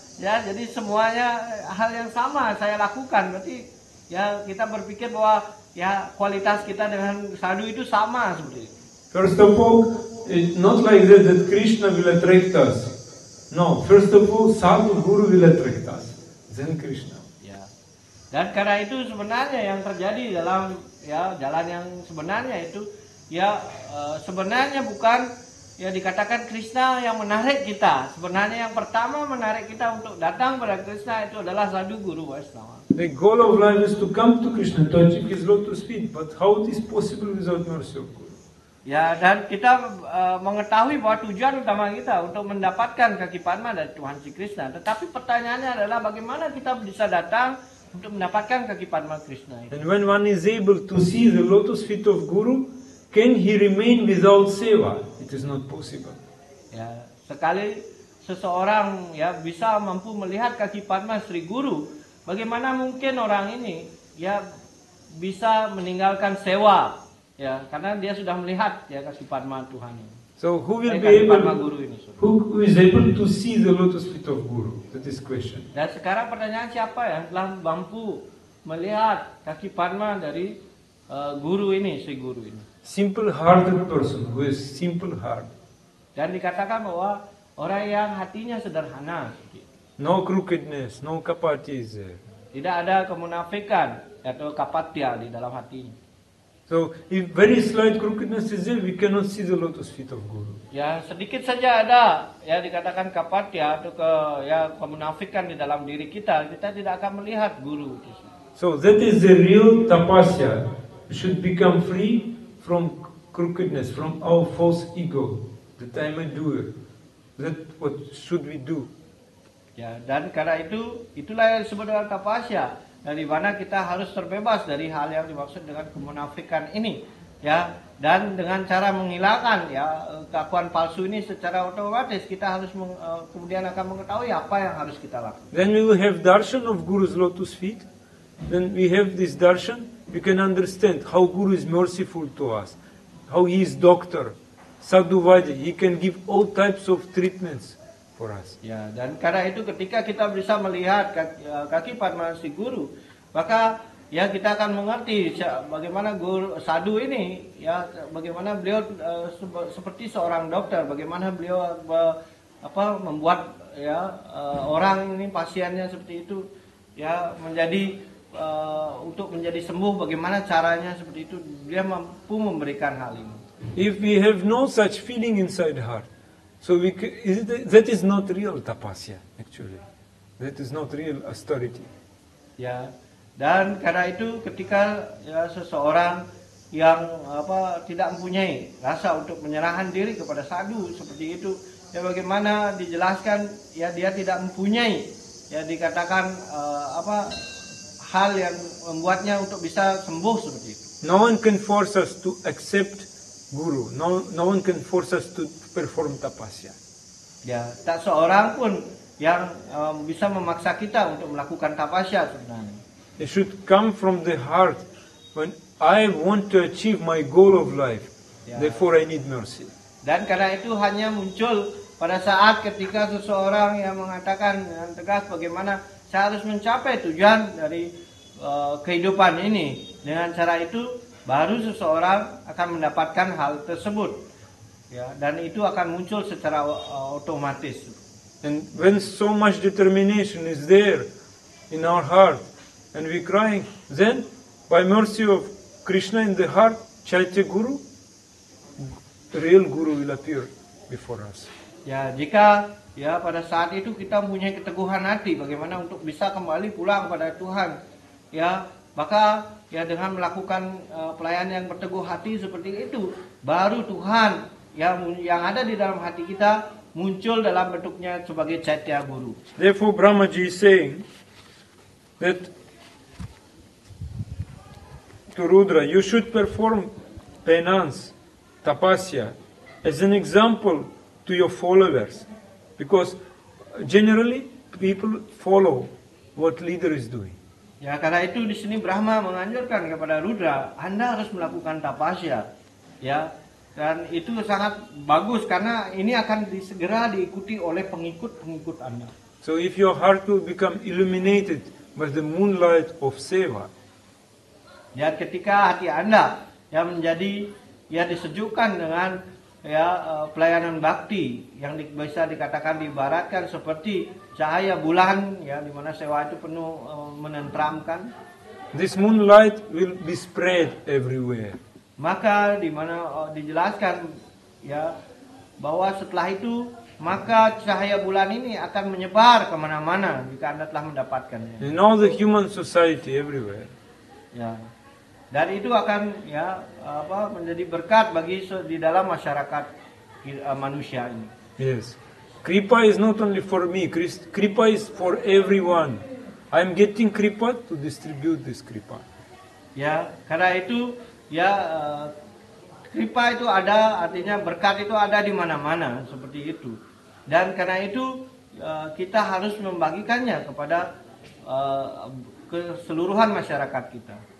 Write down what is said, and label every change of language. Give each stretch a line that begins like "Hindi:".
Indonesian: Jadi semuanya hal yang sama saya lakukan, berarti kita berpikir bahwa kualitas kita dengan sadhu itu sama seperti itu.
English: First of all, it's not like that Krishna will attract us. No, first of all, sadhu guru will attract us, then Krishna.
Indonesian: Dan karena itu sebenarnya yang terjadi dalam jalan yang sebenarnya itu sebenarnya bukan dikatakan Krishna yang menarik kita. Sebenarnya yang pertama menarik kita untuk datang pada Krishna itu adalah sadhu guru Vaishnava.
English: The goal of life is to come to Krishna, to achieve his lotus feet. But how it is possible without mercy of Guru?
Indonesian: Dan kita mengetahui bahwa tujuan utama kita untuk mendapatkan kaki padma dari Tuhan Sri Krishna. Tetapi pertanyaannya adalah bagaimana kita bisa datang untuk mendapatkan kaki padma Krishna itu?
English: And when one is able to see the lotus feet of Guru, can he remain without seva? It is not possible.
Indonesian: Sekali seseorang bisa mampu melihat kaki padma Sri Guru, bagaimana mungkin orang ini bisa meninggalkan seva? Karena dia sudah melihat kaki padma Tuhan ini.
English: So who will be able? Who is able to see the lotus feet of Guru? That is question.
Indonesian: Dan sekarang pertanyaan siapa yang telah mampu melihat kaki padma dari Guru ini, Sri Guru ini?
English: Simple-hearted person who is simple-hearted.
Indonesian: Dan dikatakan bahwa orang yang hatinya sederhana.
English: No crookedness, no kapatya is there.
Indonesian: Tidak ada kemunafikan atau kapatya di dalam hatinya.
English: So if very slight crookedness is there, we cannot see the lotus feet of Guru.
Indonesian: Sedikit saja ada dikatakan kapatya atau kemunafikan di dalam diri kita, kita tidak akan melihat Guru.
English: So that is the real tapasya. We should become free from crookedness, from our false ego, that I'm a doer. That what should we do?
Indonesian: Dan karena itu, itulah yang disebut dengan tapasya. Dari mana kita harus terbebas dari hal yang dimaksud dengan kemunafikan ini. Dan dengan cara menghilangkan keakuan palsu ini secara otomatis, kita harus kemudian akan mengetahui apa yang harus kita lakukan.
English: Then we will have darshan of Guru's lotus feet. Then we have this darshan, we can understand how Guru is merciful to us, how he is doctor, sadhu vaidya, he can give all types of treatments for us.
Indonesian: Dan karena itu ketika kita bisa melihat kaki padma si Guru, maka ya kita akan mengerti bagaimana guru sadhu ini, ya bagaimana beliau seperti seorang dokter, bagaimana beliau apa membuat ya orang ini pasiennya seperti itu, ya menjadi untuk menjadi sembuh, bagaimana caranya seperti itu, dia mampu memberikan hal ini.
English: If we have no such feeling inside heart, so we is it, that is not real tapasya actually, that is not real austerity.
Indonesian: Ya, dan karena itu ketika ya seseorang yang apa tidak mempunyai rasa untuk menyerahkan diri kepada sadhu seperti itu, ya bagaimana dijelaskan ya dia tidak mempunyai, ya dikatakan apa hal yang membuatnya untuk bisa sembuh seperti itu.
English: No one can force us to accept guru. No one can force us to perform tapasya.
Indonesian: Ya, tak seorang pun yang bisa memaksa kita untuk melakukan tapasya sebenarnya.
English: It should come from the heart. When I want to achieve my goal of life, ya, therefore I need mercy.
Indonesian: Dan karena itu hanya muncul pada saat ketika seseorang yang mengatakan dengan tegas bagaimana saya harus mencapai tujuan dari kehidupan ini. Dengan cara itu baru seseorang akan mendapatkan hal tersebut, ya, dan itu akan muncul secara otomatis.
English: And when so much determination is there in our heart and we crying, then by mercy of Krishna in the heart, Chaitya Guru, real Guru will appear before us.
Indonesian: Ya, jika ya pada saat itu kita mempunyai keteguhan hati bagaimana untuk bisa kembali pulang kepada Tuhan, ya, maka ya dengan melakukan pelayanan yang berteguh hati seperti itu, baru Tuhan yang ada di dalam hati kita muncul dalam bentuknya sebagai Chaitya Guru.
English: Therefore Brahma ji is saying that to Rudra, you should perform penance, tapasya, as an example to your followers, because generally people follow what leader is doing.
Indonesian: Ya, karena itu di sini Brahma menganjurkan kepada Rudra, Anda harus melakukan tapasya, ya, dan itu sangat bagus karena ini akan segera diikuti oleh pengikut-pengikut Anda.
English: So if your heart will become illuminated by the moonlight of seva,
Indonesian: ya, ketika hati Anda yang menjadi ya disejukkan dengan ya pelayanan bakti yang bisa dikatakan diibaratkan seperti cahaya bulan, ya, di mana seva itu penuh menenteramkan.
English: This moonlight will be spread everywhere.
Indonesian: Maka di mana dijelaskan ya bahwa setelah itu maka cahaya bulan ini akan menyebar kemana-mana jika Anda telah mendapatkannya.
English: In all the human society everywhere.
Indonesian: Ya. Dan itu akan ya apa menjadi berkat bagi di dalam masyarakat manusia ini.
English: Yes. Kripa is not only for me, kripa is for everyone. I am getting kripa to distribute this kripa.
Indonesian: Ya, karena itu ya kripa itu ada, artinya berkat itu ada di mana-mana seperti itu. Dan karena itu kita harus membagikannya kepada keseluruhan masyarakat kita.